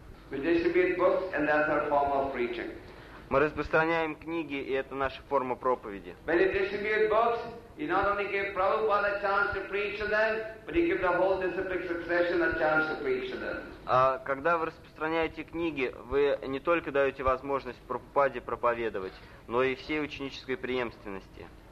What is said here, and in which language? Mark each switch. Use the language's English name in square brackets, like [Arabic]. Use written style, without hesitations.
[English] We distribute books, and that's our form of preaching. [Russian] Мы распространяем книги, и это наша форма проповеди. [English] When you distribute books, you not only give Prabhupada a chance to preach to them, but you give the whole disciplic succession a chance to preach to them. [Russian] Когда вы распространяете книги, вы не только даете возможность Прабхупаде проповедовать, но и всей ученической преемственности.